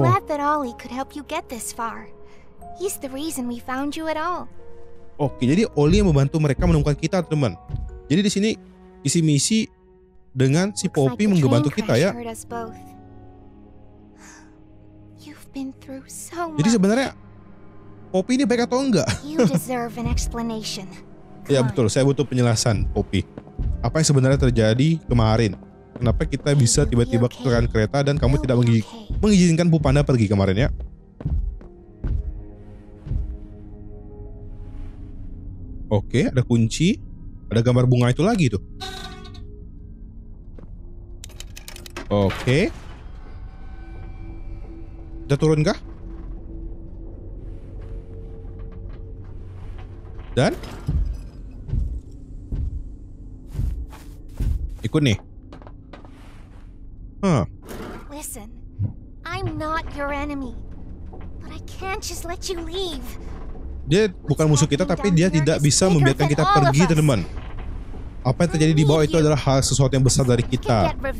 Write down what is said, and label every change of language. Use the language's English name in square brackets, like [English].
[English] I'm glad that Ollie could help you get this far. He's the reason we found you at all. [Indonesian] Oke, jadi Ollie yang membantu mereka menemukan kita, teman. Jadi di sini isi misi dengan si Poppy membantu kita ya. Jadi sebenarnya Poppy ini baik atau enggak? Ya betul, saya butuh penjelasan, Poppy. Apa yang sebenarnya terjadi kemarin? Kenapa kita bisa tiba-tiba kecelakaan kereta dan kamu tidak mengizinkan Bu Panda pergi kemarin ya? Oke, ada kunci. Ada gambar bunga itu lagi tuh. Oke. Kita turun kah? Dan? Ikut nih. [English] Listen, I'm not your enemy, but I can't just let you leave. [Indonesian] Dia bukan musuh kita, tapi dia tidak bisa membiarkan kita pergi, teman-teman. Apa yang terjadi di bawah itu adalah hal sesuatu yang besar dari kita.